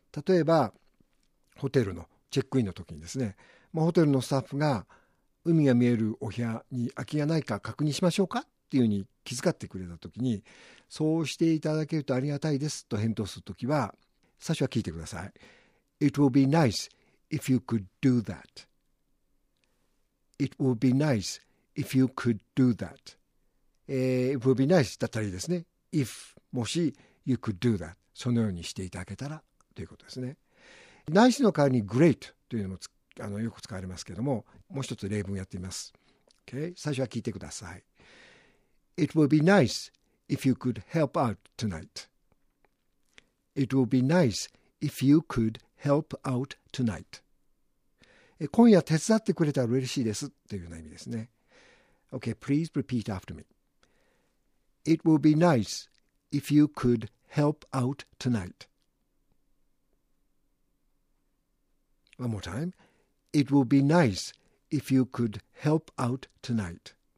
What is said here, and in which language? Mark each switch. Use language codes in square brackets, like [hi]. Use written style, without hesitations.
[ja] 例えばホテルのチェックインの時にですね、ホテルのスタッフが海が見えるお部屋に空きがないか確認しましょうかっていうふうに気遣ってくれたときに、そうしていただけるとありがたいですと返答するときは、最初は聞いてください。 [en] It will be nice if you could do that. It will be nice if you could do that. It will be nice [ja] だったらいいですね。If もし [en] you could do that、 [ja] そのようにしていただけたらということですね。 Nice の代わりに Great というのもよく使われますけれども、もう一つ例文やってみます。Okay? 最初は聞いてください。 [en] It will be nice if you could help out tonight. It will be nice if you could help out tonight. [ja] 今夜手伝ってくれたら嬉しいですというような意味ですね。 [en] Okay, please repeat after me. It will be nice if you could help out tonight. One more time. It will be nice if you could help out tonight.